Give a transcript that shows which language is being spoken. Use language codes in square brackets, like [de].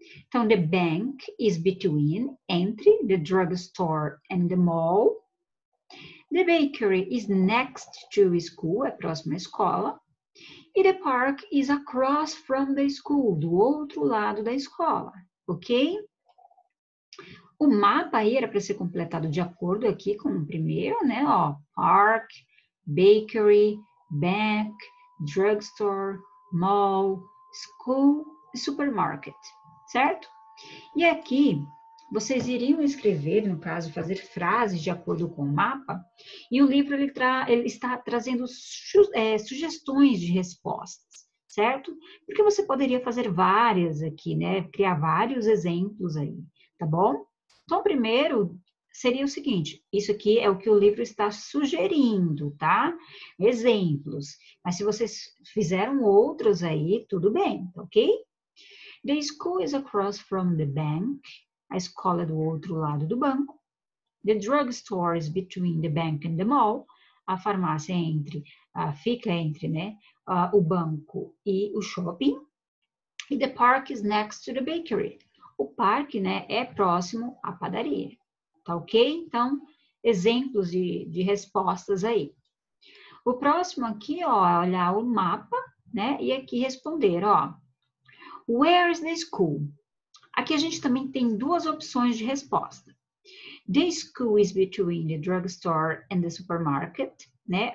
[en] Então, the bank is between, entre the drugstore and the mall. The bakery is next to school, [pt] é próximo à escola. [en] E the park is across from the school, [pt] do outro lado da escola, [en] ok? [pt] O mapa aí era para ser completado de acordo aqui com o primeiro, né? Ó, park, bakery, bank, drugstore, mall, school, supermarket, certo? E aqui, vocês iriam escrever, no caso, fazer frases de acordo com o mapa, e o livro ele está trazendo sugestões de respostas, certo? Porque você poderia fazer várias aqui, né? Criar vários exemplos aí, tá bom? Então, primeiro seria o seguinte, isso aqui é o que o livro está sugerindo, tá? Exemplos. Mas se vocês fizeram outros aí, tudo bem, ok? [en] The school is across from the bank. [pt] A escola é do outro lado do banco. [en] The drugstore is between the bank and the mall. [pt] A farmácia fica entre, né, o banco e o shopping. [en] E the park is next to the bakery. [pt] O parque, né, é próximo à padaria. Tá ok? Então, exemplos de respostas aí. O próximo aqui, ó, é olhar o mapa, né? E aqui responder, ó. [en] Where is the school? [pt] Aqui a gente também tem duas opções de resposta. [en] The school is between the drugstore and the supermarket, né?